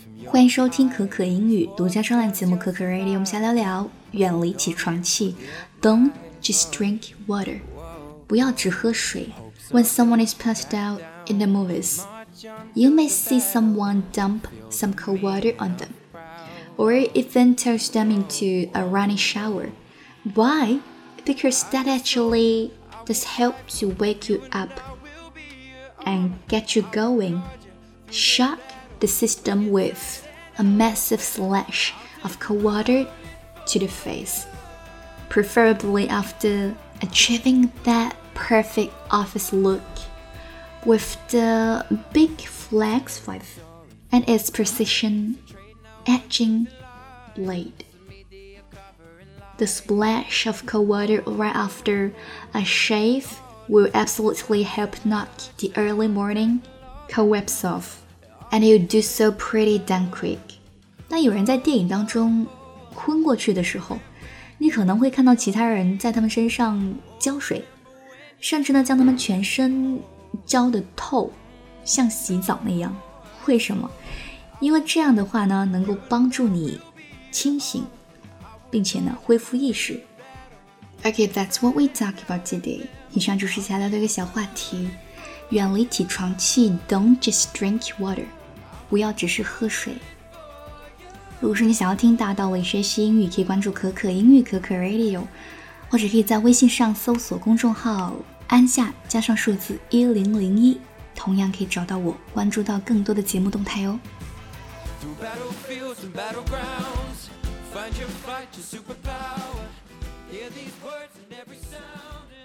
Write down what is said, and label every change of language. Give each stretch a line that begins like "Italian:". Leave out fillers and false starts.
Chinese: 欢迎收听可可英语独家专栏节目可可 Radio， 我们先聊聊远离起床气。
English: Don't just drink water，
Chinese: 不要只喝水。
English: When someone is passed out in the movies， you may see someone dump some cold water on them or even toss them into a running shower. Why? Because that actually does help to wake you up and get you going. Shock the system with a massive splash of cold water to the face, preferably after achieving that perfect office look with the big flex five and its precision etching blade. The splash of cold water right after a shave will absolutely help knock the early morning cobwebs off, and you'll do so pretty damn quick.
Chinese: 那有人在电影当中昏过去的时候，你可能会看到其他人在他们身上浇水，甚至呢将他们全身浇得透，像洗澡那样。为什么？因为这样的话呢，能够帮助你清醒，并且呢恢复意识。
English: Okay, that's what we talk about today.
Chinese: 以上就是下聊的一个小话题，远离起床气。
English: Don't just drink water.
Chinese: 不要只是喝水。如果是你想要听大道理学习英语，可以关注可可英语可可 Radio， 或者可以在微信上搜索公众号安夏加上数字1001，同样可以找到我，关注到更多的节目动态哦。
English: Through battlefields and battlegrounds, find your fight, your superpower. Hear these words in every sound.